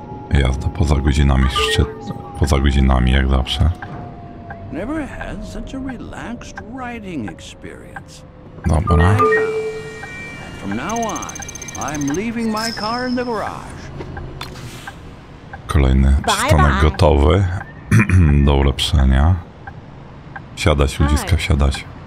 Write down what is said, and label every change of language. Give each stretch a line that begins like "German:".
Polish: jazda poza godzinami szczytu. Poza godzinami, jak zawsze.
English: Never had such a relaxed riding experience.
Polish: Dobra.
English: From now on, I'm leaving my car in the garage.
Polish: Kolejny przystanek gotowy do ulepszenia. Wsiadać, ludziska, wsiadać.